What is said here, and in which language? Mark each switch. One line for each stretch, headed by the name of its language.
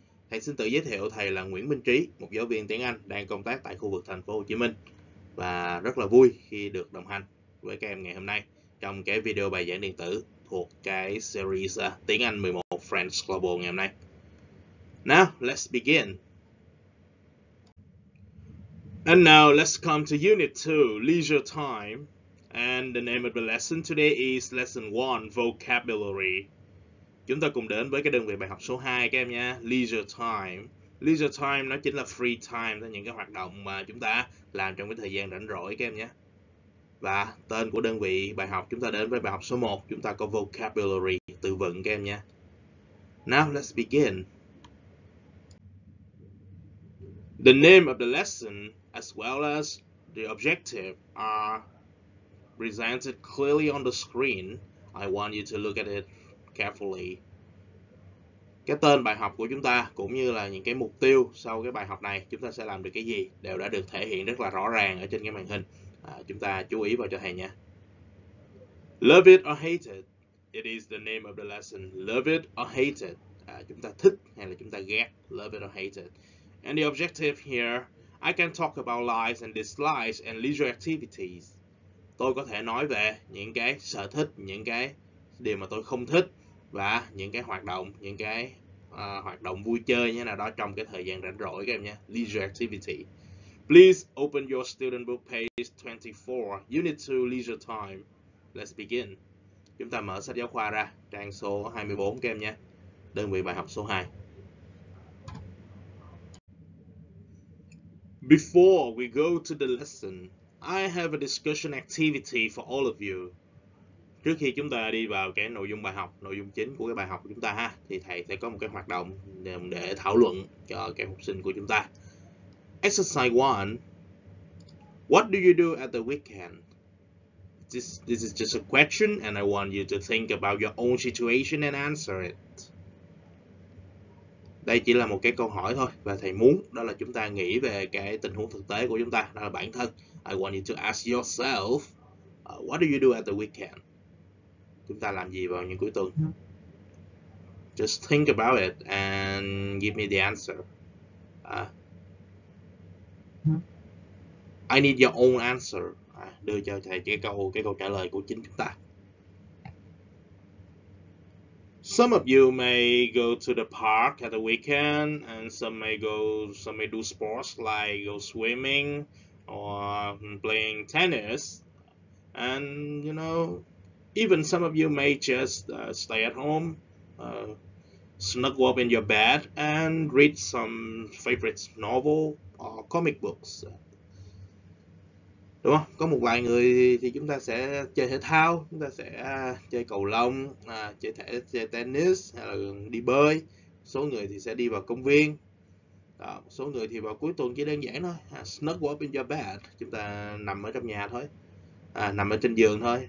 Vietnamese: Thầy xin tự giới thiệu, thầy là Nguyễn Văn Cừ, một giáo viên tiếng Anh đang công tác tại khu vực thành phố Hồ Chí Minh và rất là vui khi được đồng hành với các em ngày hôm nay trong cái video bài giảng điện tử thuộc cái series Tiếng Anh 11 French Global ngày hôm nay.
English: Now, let's begin. And now, let's come to Unit 2, Leisure Time. And the name of the lesson today is Lesson 1, Vocabulary.
Vietnamese: Chúng ta cùng đến với cái đơn vị bài học số 2 các em nha, Leisure Time. Leisure Time nó chính là free time, là những cái hoạt động mà chúng ta làm trong cái thời gian rảnh rỗi các em nha. Và tên của đơn vị bài học, chúng ta đến với bài học số 1, chúng ta có vocabulary, từ vựng các em nha.
English: Now, let's begin. The name of the lesson, as well as the objective, are presented clearly on the screen. I want you to look at it carefully.
Vietnamese: Cái tên bài học của chúng ta, cũng như là những cái mục tiêu sau cái bài học này, chúng ta sẽ làm được cái gì, đều đã được thể hiện rất là rõ ràng ở trên cái màn hình. Chúng ta chú ý vào cho thầy nha.
English: Love it or hate it, it is the name of the lesson. Love it or hate it,
Vietnamese: chúng ta thích hay là chúng ta ghét.
English: Love it or hate it. And the objective here, I can talk about likes and dislikes and leisure activities.
Vietnamese: Tôi có thể nói về những cái sở thích, những cái điều mà tôi không thích và những cái hoạt động, những cái hoạt động vui chơi như nào đó trong cái thời gian rảnh rỗi các em nha.
English: Leisure activity. Please open your student book page 24, Unit 2, Leisure Time. Let's begin.
Vietnamese: Chúng ta mở sách giáo khoa ra, trang số 24 các em nhé. Đơn vị bài học số 2.
English: Before we go to the lesson, I have a discussion activity for all of you.
Vietnamese: Trước khi chúng ta đi vào cái nội dung bài học, nội dung chính của cái bài học của chúng ta ha, thì thầy sẽ có một cái hoạt động để thảo luận cho các học sinh của chúng ta.
English: Exercise 1. What do you do at the weekend? This is just a question and I want you to think about your own situation and answer it.
Vietnamese: Đây chỉ là một cái câu hỏi thôi và thầy muốn đó là chúng ta nghĩ về cái tình huống thực tế của chúng ta, đó là bản thân.
English: I want you to ask yourself, what do you do at the weekend?
Vietnamese: Chúng ta làm gì vào những cuối tuần?
English: Just think about it and give me the answer. I need your own answer.
Vietnamese: Đưa cho thầy cái câu trả lời của chính chúng ta.
English: Some of you may go to the park at the weekend and some may do sports like go swimming or playing tennis. And you know, even some of you may just stay at home, snuggle up in your bed and read some favorite novel or comic books.
Vietnamese: Đúng không? Có một vài người thì chúng ta sẽ chơi thể thao, chúng ta sẽ chơi cầu lông, chơi tennis hay là đi bơi. Số người thì sẽ đi vào công viên. Đó, số người thì vào cuối tuần chỉ đơn giản thôi.
English: Snuggle up in your bed.
Vietnamese: Chúng ta nằm ở trong nhà thôi. Nằm ở trên giường thôi.